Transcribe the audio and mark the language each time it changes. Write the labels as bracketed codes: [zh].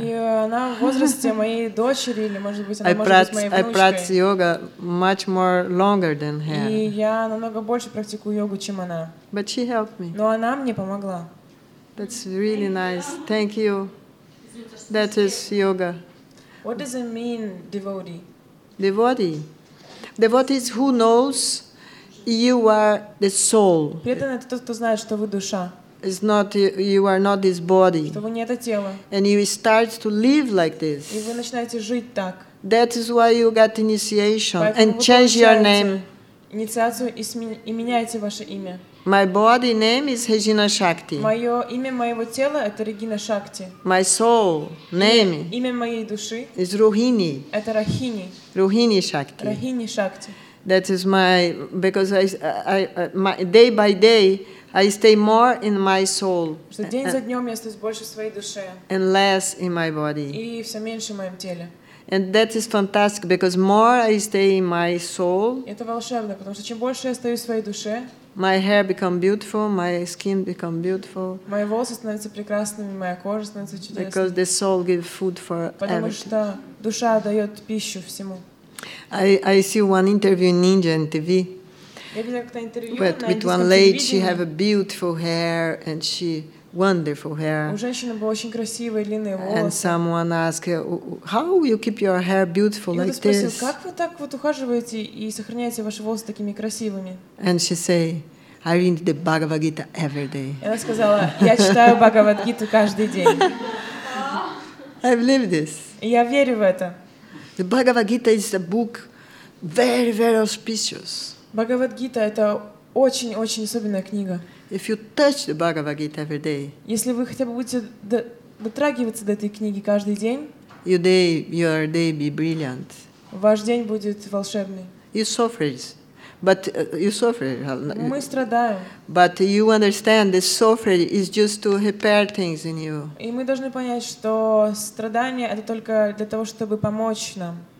[ru] И она в возрасте моей дочери или может быть она может быть моей внучкой. [en] I practice yoga much more longer than her. [ru] И я намного больше практикую йогу, чем она. [en] But she helped me. [ru] Но она мне помогла. [en] That's really nice. Thank you. That is yoga. What does it mean, devotee? Devotee is who knows. You are the soul. [ru] Преданный — это тот, кто знает, что вы душа. [en] It's not you are not this body. [ru] Что вы не это тело. [en] And you start to live like this. [ru] И вы начинаете жить так. [en] That is why you got initiation and change your name. [ru] Инициацию и меняете ваше имя. [en] My body name is Regina Shakti. [ru] Мое имя моего тела — это Регина Шакти. [en] My soul name. [ru] Имя моей души. [en] Is Rohini. [ru] Это Рахини. [en] Rohini Shakti. [ru] Рахини Шакти. [en] That is my because I day by day I stay more in my soul. [ru] Что день за днем я остаюсь больше в своей душе. [en] And less in my body. [ru] И все меньше в моем теле. [en] And that is fantastic because more I stay in my soul. [ru] Это волшебно, потому что чем больше я остаюсь в своей душе. [en] My hair become beautiful. My skin become beautiful. [ru] Мои волосы становятся прекрасными, моя кожа становится чудесной. [en] Because the soul gives food for everything. [ru] Потому что душа дает пищу всему. [en] I see one interview in India on TV. But with one lady, she have a beautiful hair and she wonderful hair. [ru] У женщины было очень красивые длинные волосы. [en] And someone asked, how you keep your hair beautiful like this? [ru] И спросил, как вы так вот ухаживаете и сохраняете ваши волосы такими красивыми? [en] And she say, I read the Bhagavad Gita every day. [ru] Она сказала, я читаю Бхагавад Гиту каждый день. [en] I believe this. [ru] Я верю в это. [en] The Bhagavad Gita is a book very, very auspicious. [ru] Bhagavad Gita — это очень-очень особенная книга. [en] If you touch the Bhagavad Gita every day, [ru] если вы хотя бы будете дотрагиваться до этой книги каждый день, [en] your day be brilliant. [ru] Ваш день будет волшебный. [en] You suffer, but you suffer. [ru] Мы страдаем. [en] But you understand that suffering is just to repair things in you. [ru] И мы должны понять, что страдание — это только для того, чтобы помочь нам.